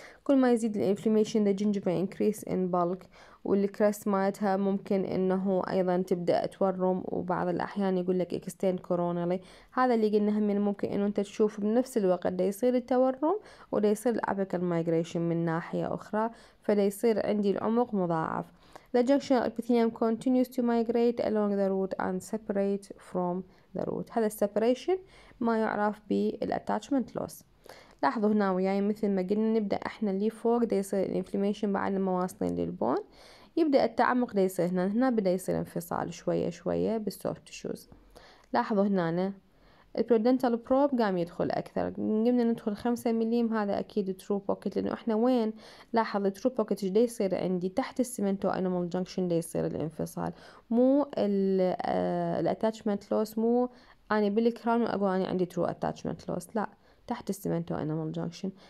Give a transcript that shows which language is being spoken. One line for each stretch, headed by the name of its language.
Arabic: كل ما يزيد الانفلاميشن ذا جينجيفا انكريس ان بالك، والكريست مالتها ممكن انه ايضا تبدا تورم، وبعض الاحيان يقول لك اكستين كورونالي، هذا اللي قلنا هم ممكن انه انت تشوف بنفس الوقت ده يصير التورم وده يصير الابيكال مايجريشن من ناحيه اخرى، فده يصير عندي العمق مضاعف.
English: The junctional epithelium continues to migrate along the root and separate from the root.
Arabic: هذا separation ما يعرف بالattachment loss. لاحظوا هنا وياي مثل ما قلنا نبدأ احنا اللي فوق ده يصير inflammation بعد ما واصلين للبون، يبدأ التعمق ده يصير هنا، هنا بدأ يصير انفصال شوية شوية بالsoft tissues. لاحظوا هنا البريدنتال بروب قام يدخل اكثر، قمنا ندخل 5 مليم، هذا اكيد ترو بوكيت، لانه احنا وين لاحظ الترو بوكيت ايش يصير عندي تحت السمنتو انيمال جنكشن، ده يصير الانفصال مو الاتاتشمنت لوس، مو اني بالكرون اقول اني عندي ترو اتاتشمنت لوس، لا تحت السمنتو انيمال جنكشن.